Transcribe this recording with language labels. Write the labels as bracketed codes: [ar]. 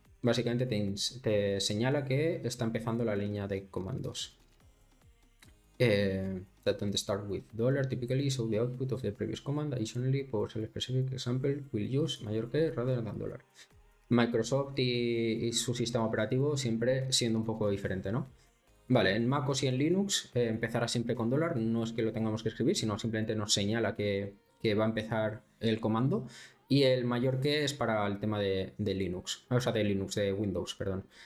[es] Básicamente te señala que está empezando la línea de comandos. [en] That don't start with dollar typically show the output of the previous command. Additionally, PowerShell specific example will use [es] mayor que [en] rather than dollar. [es] Microsoft y su sistema operativo siempre siendo un poco diferente, ¿no? Vale, en macOS y en Linux empezará siempre con dólar. No es que lo tengamos que escribir, sino simplemente nos señala que va a empezar el comando. Y el mayor que es para el tema de Linux. O sea, de Linux, de Windows, perdón.